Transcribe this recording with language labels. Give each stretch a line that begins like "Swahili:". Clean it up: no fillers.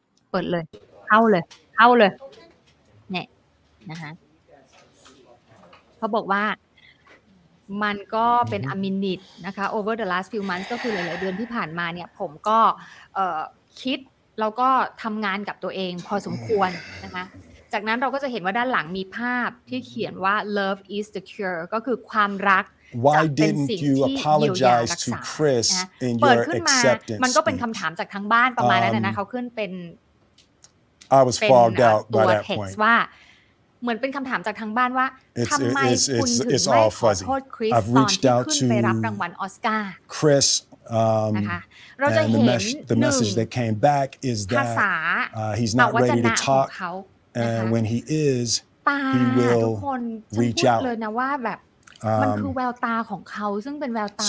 Thai: เปิดเลยเข้าเลยเนี่ยนะคะเขาบอกว่ามันก็เป็นอะมินิตนะคะ
English: over the last few months
Thai: ก็คือหลายเดือนที่ผ่านมาเนี่ยผมก็คิดแล้วก็ทำงานกับตัวเองพอสมควรนะคะจากนั้นเราก็จะเห็นว่าด้านหลังมีภาพที่เขียนว่า
English: love is the cure
Thai: ก็คือความรัก
English: Why didn't you apologize to Chris in your acceptance?
Thai: มันก็เป็นคำถามจากทั้งบ้านประมาณนั้นนะเขาขึ้นเป็น
English: I was fogged out by that point.
Thai: ว่าเหมือนเป็นคำถามจากทั้งบ้านว่าทำไมคุณถึงไม่ขอโทษ Chris ตอนที่ขึ้นไปรับรางวัลออสการ์
English: Chris
Thai: นะคะเราจะเห็น
English: The message that came back is that he's not ready to talk and when he is he will reach out
Thai: เลยนะว่าแบบมันคือแววตาของเขาซึ่งเป็นแววตา